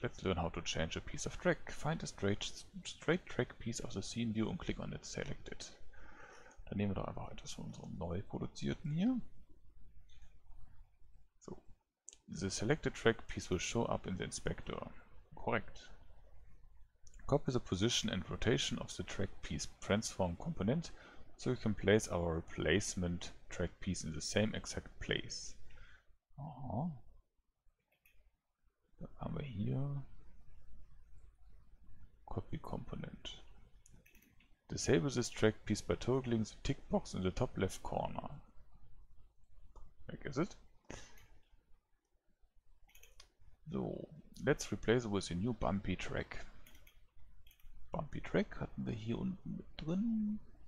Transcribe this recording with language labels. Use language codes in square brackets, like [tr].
[en] Let's learn how to change a piece of track. Find a straight track piece of the scene view and click on it selected. [de] Dann nehmen wir doch einfach etwas von unserem neu produzierten hier. So. [en] The selected track piece will show up in the inspector. [de] Korrekt. [en] Copy the position and rotation of the track piece transform component so we can place our replacement track piece in the same exact place. Aha. [de] Dann haben wir hier Copy Component. [en] Disable this track piece by toggling the tick box in the top left corner. [de] Weg ist es. [en] So, let's replace it with a new bumpy track. [de] Bumpy track hatten wir hier unten mit drin.